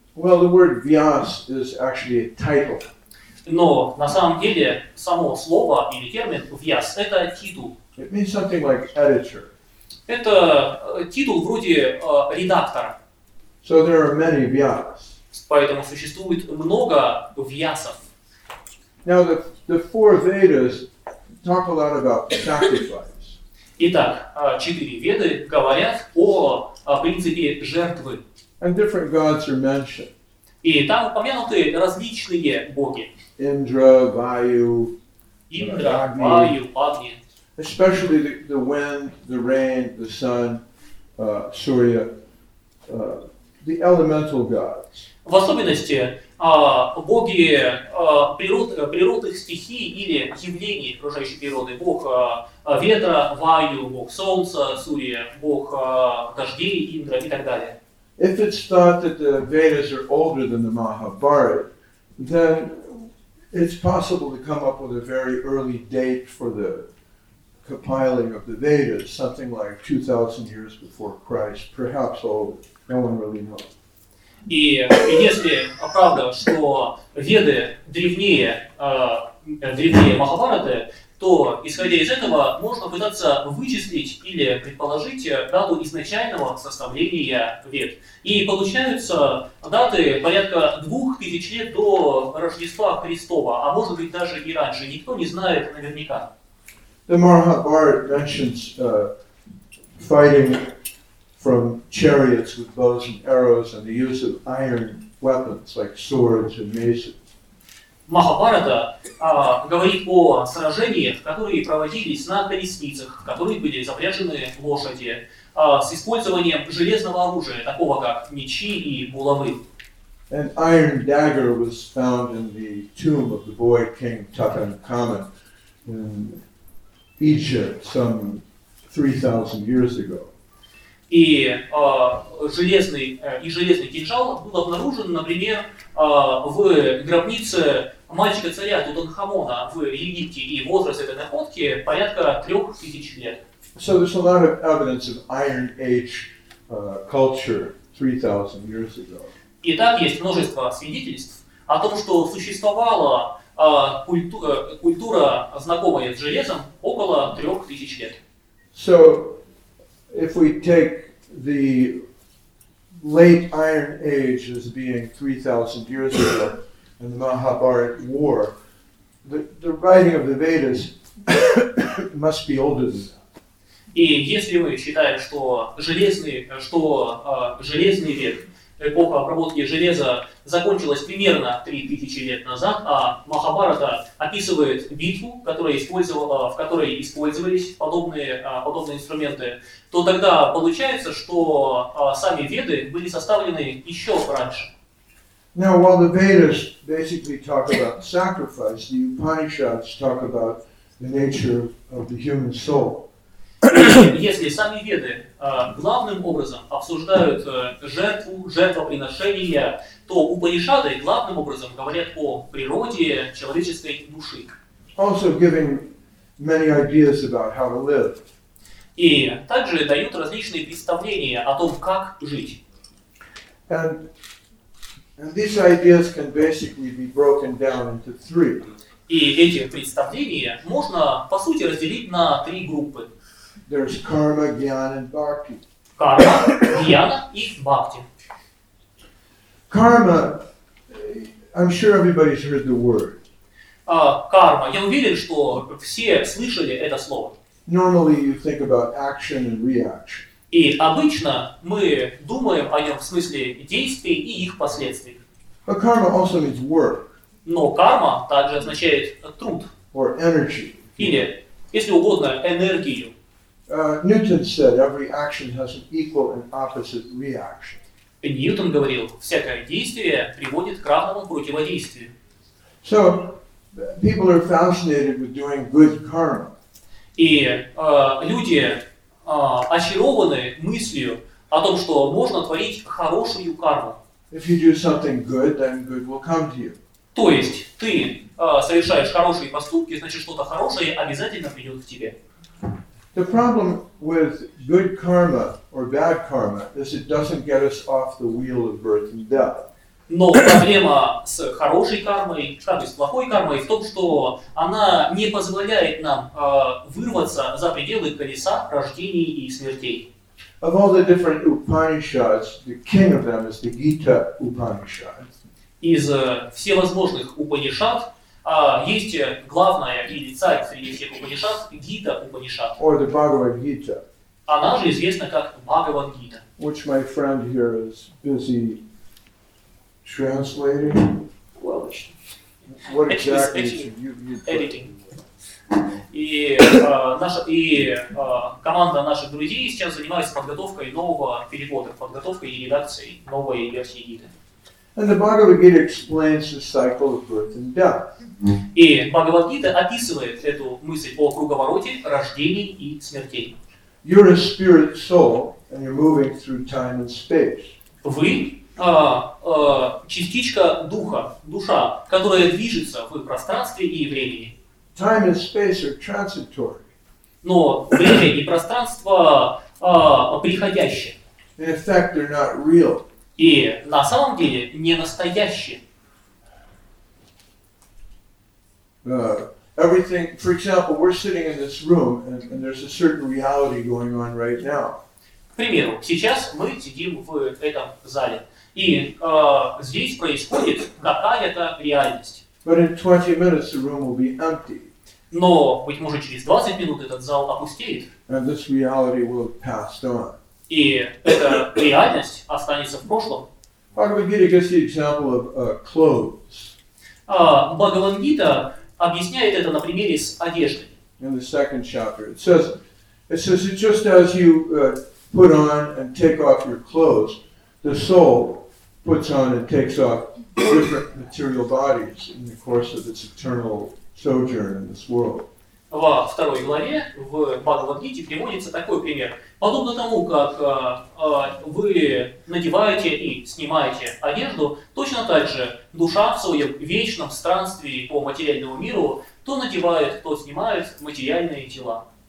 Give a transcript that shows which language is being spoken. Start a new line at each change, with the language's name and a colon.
English: Well, the word Vyas is actually a title.
Russian: Но на самом деле само слово или термин «вьяс» — это титул.
English: It means something like editor.
Russian: Это титул вроде редактора.
English: So there are many vyas.
Russian: Поэтому существует много вьясов.
English: Now the four Vedas talk a lot about sacrifice.
Russian: Итак, четыре Веды говорят о принципе жертвы.
English: And different gods are mentioned.
Russian: И там упомянуты различные боги. Индра, Ваю, Агни.
English: Especially the wind, the rain, the sun, Surya, the elemental gods.
Russian: В особенности боги природных стихий или явлений окружающей природы. Бог ветра, Ваю, бог солнца, Сурья, бог дождей, Индра и так далее.
English: If it's thought that the Vedas are older than the Mahabharata, then it's possible to come up with a very early date for the compiling of the Vedas, something like 2,000 years before Christ, perhaps older. No one really knows.
Russian: И если правда, что Веды древнее Махабхараты, то исходя из этого можно пытаться вычислить или предположить дату изначального составления Вед. И получаются даты порядка 2000 лет до Рождества Христова, а может быть даже и раньше. Никто не знает наверняка.
English: The Mahabharata mentions fighting from chariots with bows and arrows and the use of iron weapons like swords and maces.
Russian: Махабарата говорит о сражениях, которые проводились на колесницах, которые были запряжены в лошади, с использованием железного оружия, такого как мечи и булавы.
English: An iron dagger was found in the tomb of the boy King Tutankhamun in Egypt some 3,000 years ago.
Russian: И железный кинжал был обнаружен, например, в гробнице мальчика царя Тутанхамона в Египте, и возраст этой находки порядка 3000 лет.
English: So there's a lot of evidence of Iron Age culture 3,000 years ago.
Russian: И так есть множество свидетельств о том, что существовала культура, знакомая с железом, около 3000 лет.
English: So if we take the late Iron Age as being 3,000 years ago and the Mahabharata war, the writing of the Vedas must be older than that.
Russian: И если мы считаем, что железный век, эпоха обработки железа закончилась примерно 3000 лет назад, а Махабарата описывает битву, в которой использовались подобные инструменты, то тогда получается, что сами Веды были составлены еще раньше.
English: Now, while the Vedas basically talk about sacrifice, the Upanishads talk about the nature of the human soul.
Russian: Если сами Веды главным образом обсуждают жертву, жертвоприношения, то Упанишады главным образом говорят о природе человеческой души.
English: Also giving many ideas about how to live.
Russian: И также дают различные представления о том, как жить.
English: And these ideas can basically be broken down into three.
Russian: И эти представления можно, по сути, разделить на три группы.
English: There's karma, jnana, and bhakti. Karma, jnana, and bhakti. Karma, I'm sure everybody's heard the word. Karma.
Russian: Я уверен, что все слышали это слово.
English: Normally, you think about action and reaction.
Russian: И обычно мы думаем о нем в смысле действий и их последствий.
English: But karma also means work.
Russian: Но карма также означает труд.
English: Or energy.
Russian: Или, если угодно, энергию.
English: Newton said every action has an equal and opposite reaction.
Russian: Ньютон говорил, всякое действие приводит к равному противодействию.
English: So people are fascinated with doing good karma.
Russian: И люди очарованы мыслью о том, что можно творить хорошую карму.
English: If you do something good, then good will come to you.
Russian: То есть ты совершаешь хорошие поступки, значит что-то хорошее обязательно придет к тебе.
English: The problem with good karma or bad karma is it doesn't get us off the wheel of birth and death.
Russian: Но проблема с хорошей кармой, как и с плохой кармой, в том, что она не позволяет нам вырваться за пределы колеса рождений и смертей.
English: Of all the different Upanishads, the king of them is the Gita Upanishad.
Russian: Из всевозможных Упанишад есть главная или царь среди всех Упанишад, Гита Упанишад.
English: Or the Bhagavad Gita.
Russian: Она же известна как Бхагавад Гита.
English: Which my friend here is busy translating. Well, what exactly editing.
Russian: И наша и команда наших друзей сейчас занимается подготовкой нового перевода, подготовкой и редакцией новой версии Гиты.
English: And the Bhagavad Gita explains the cycle of birth and death.
Russian: И Бхагавад Гита описывает эту мысль о круговороте рождений и смертей.
English: You're a spirit soul, and you're moving through time and space.
Russian: Вы частичка духа, душа, которая движется в пространстве и времени.
English: Time and space are transitory.
Russian: Но время и пространство приходящие.
English: In effect, they're not real.
Russian: И на самом деле не настоящие.
English: Everything, for example, we're sitting in this room, and there's a certain reality going on right now.
Russian: К примеру, сейчас мы сидим в этом зале, и здесь происходит какая-то реальность.
English: But in 20 minutes, the room will be empty.
Russian: Но, быть может, через 20 минут этот зал опустеет.
English: And this reality will have passed on.
Russian: И эта реальность останется в прошлом.
English: Bhagavad Gita gives the example of clothes.
Russian: Bhagavad Gita объясняет это на примере с одеждой.
English: In the second chapter, it says that just as you put on and take off your clothes, the soul puts on and takes off different material bodies in the course of its eternal sojourn in this world.
Russian: Во второй главе в Бхагавад-гите приводится такой пример. Подобно тому, как вы надеваете и снимаете одежду, точно так же душа в своем вечном странстве по материальному миру то надевает, то снимает материальные тела.